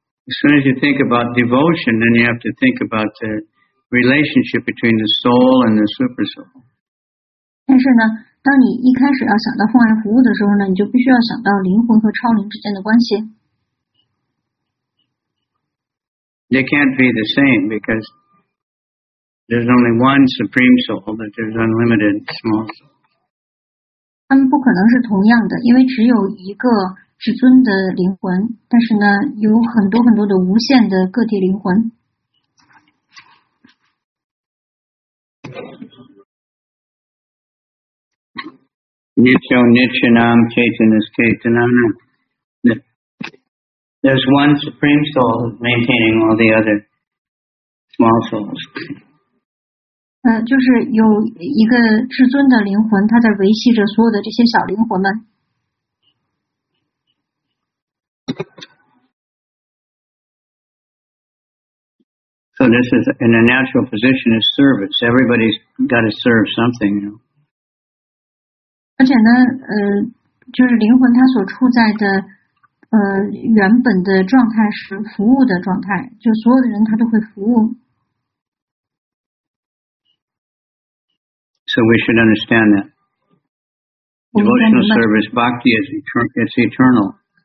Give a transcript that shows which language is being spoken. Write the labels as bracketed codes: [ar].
[en] As soon as you think about devotion, then you have to think about the relationship between the soul and the super soul. [zh] 但是呢，当你一开始要想到奉爱服务的时候呢，你就必须要想到灵魂和超灵之间的关系。 [en] They can't be the same because there's only one supreme soul, but there's unlimited small soul. [zh] 他们不可能是同样的，因为只有一个至尊的灵魂，但是呢，有很多很多的无限的个体灵魂。 [sa] Nityo Nityanam Chaitanya Chaitanana. [en] There's one supreme soul maintaining all the other small souls. [zh] 就是有一个至尊的灵魂，他在维系着所有的这些小灵魂们。 [en] So this is in a natural position is service. Everybody's got to serve something, you know. [zh] 而且呢就是灵魂它所处在的原本的状态是服务的状态，就所有的人他都会服务。 [en] So we should understand that. Devotional service, bhakti is eternal.